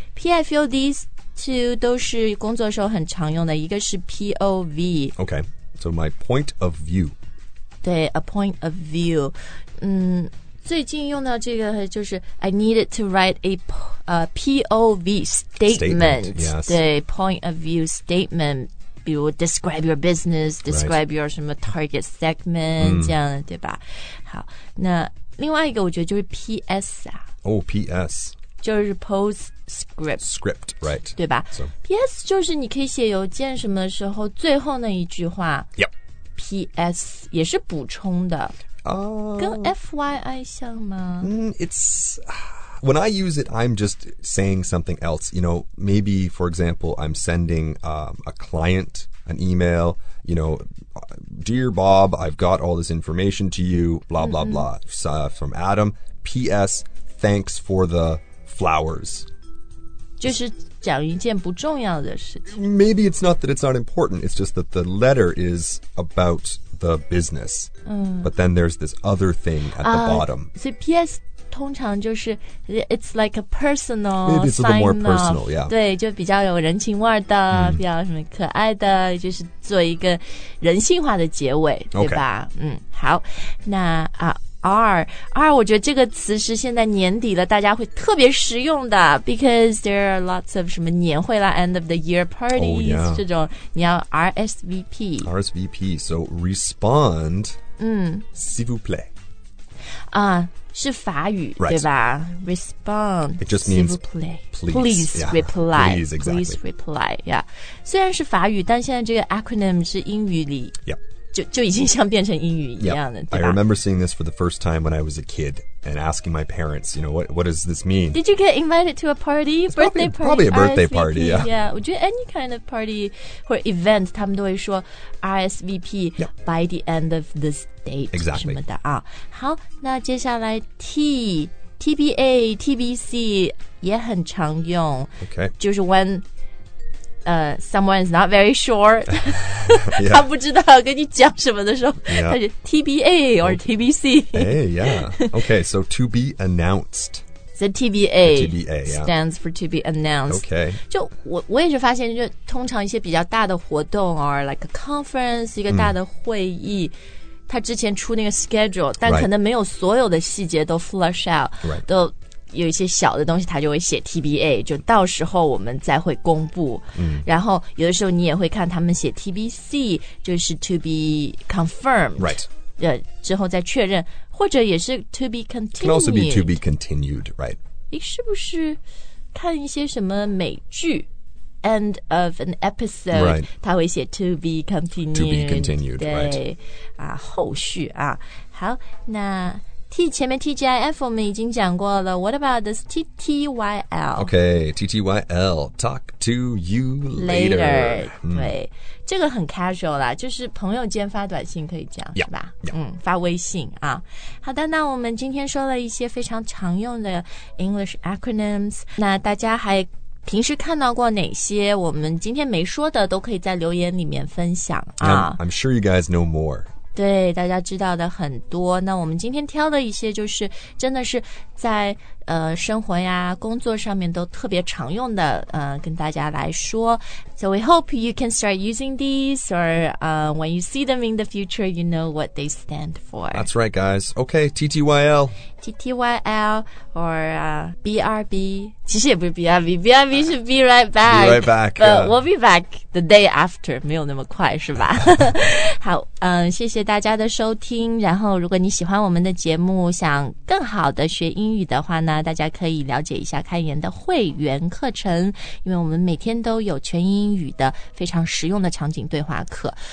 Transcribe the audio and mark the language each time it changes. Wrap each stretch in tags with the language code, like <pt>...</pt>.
<zh>P</zh> <en>I feel these two</en> <zh>都是工作时候很常用的，一个是 POV.</zh> <en>Okay, so my point of view.</en> <zh>对</zh> <en>，a point of view.</en> <zh>最近用到这个就是</zh> <en>I needed to write a POV statement. Yes.</en> <zh>对</zh> <en>point of view statement.</en> <zh>比如</zh> <en>describe your business, describe、 right. your</en> <zh>什么</zh> <en>target segment,、</en> <zh>这样的对吧好那另外一个我觉得就是 PS 啊。</zh> <en>Oh, PS.</en> <zh>就是 postscript.</zh> <en>Script, right.</en> <zh>对吧、</zh> <en>so.</en> <zh>PS 就是你可以写邮件什么的时候最后那一句话。</zh> <en>Yep.</en> <zh>PS 也是补充的。跟 FYI 像吗</zh> <en>It's When I use it I'm just saying something else You know Maybe for example I'm sending、a client An email You know Dear Bob I've got all this information to you Blah blah blah、from Adam P.S. Thanks for the flowers</en> <zh>就是讲一件不重要的事情</zh> <en>Maybe it's not that it's not important It's just that the letter is aboutThe business,、but then there's this other thing at the bottom. So PS</en> <zh>通常就是</zh> <en>it's like a personal. Maybe it's a little more personal, yeah.</en> <zh>对，就比较有人情味的，比较什么可爱的，就是做一个人性化的结尾，对吧？</zh> <en>Okay.</en> <zh>好，那啊 R， 我觉得这个词是现在年底了，大家会特别实用的 ，</zh> <en>because there are lots of</en> <zh>什么年会啦 ，</zh> <en>end of the year parties、 oh, yeah.</en> <zh>这种，你要 RSVP。</zh> <en>RSVP， so respond.</en> <fr>S'il vous plaît.</fr> <zh>啊，是法语、</zh> <en>right.</en> <zh>对吧 ？</zh> <en>Respond. It just means</en> <fr>s'il vous plaît.</fr> <en>Please, yeah. reply. Please, exactly. Please reply. Yeah.</en> <zh>虽然是法语，但现在这个 acronym 是英语里。</zh> <en>Yep.</en> <zh>就已经像变成英语一样了、</zh> <en>yep. I remember seeing this for the first time when I was a kid and asking my parents, you know, what does this mean? Did you get invited to a party?、 It's、 birthday probably, party? Probably a birthday、 RSVP? party, yeah. Yeah,</en> <zh>我觉得</zh> <en>any kind of party or event,</en> <zh>他们都会说</zh> <en>RSVP、 yep. by the end of this date. Exactly.</en> <zh>什么的啊。好那接下来 TBA, TBC 也很常用。</zh> <en>Okay.</en> <zh>就是</zh> <en>when... someone is not very sure 、yeah.</en> <zh>他不知道跟你讲什么的时候、</zh> <en>yeah.</en> <zh>他就 TBA or TBC</zh> <en>hey, yeah. Okay, so to be announced So TBA, TBA、yeah. stands for to be announced Okay</en> <zh>就 我也是发现就通常一些比较大的活动</zh> <en>or like a conference</en> <zh>一个大的会议、他之前出那个 schedule 但可能没有所有的细节都</zh> <en>flush out、 right.</en> <zh>都有一些小的东西他就会写 TBA 就到时候我们再会公布、然后有的时候你也会看他们写 TBC 就是</zh> <en>to be confirmed、 right.</en> <zh>之后再确认或者也是</zh> <en>to be continued can also be to be continued、right.</en> <zh>是不是看一些什么美剧</zh> <en>end of an episode、 right.</en> <zh>他会写</zh> <en>to be continued, to be continued</en> <zh>对、</zh> <en>right.</en> <zh>啊、后续啊好那T 前面 TGIF 我们已经讲过了</zh> <en>What about this TTYL? Okay, TTYL Talk to you later,</en> <zh>later、对这个很 casual 啦就是朋友间发短信可以讲</zh> <en>yeah,</en> <zh>是吧、</zh> <en>yeah.</en> <zh>发微信啊。好的那我们今天说了一些非常常用的</zh> <en>English acronyms</en> <zh>那大家还平时看到过哪些我们今天没说的都可以在留言里面分享啊。</zh> <en>I'm sure you guys know more</en> <zh>对，大家知道的很多。那我们今天挑的一些就是真的是在生活呀工作上面都特别常用的跟大家来说。</zh> <en>So we hope you can start using these or when you see them in the future, you know what they stand for. That's right, guys. Okay, TTYL. TTYL or BRB.</en> <zh>其实也不是 BRB, BRB 是</zh> <en>Be Right Back. Be Right Back. We'll be back the day after.</en> <zh>没有那么快是吧好谢谢大家的收听。然后如果你喜欢我们的节目想更好的学英语的话呢大家可以了解一下开言的会员课程。因为我们每天都有全英语的非常实用的场景对话课。</zh>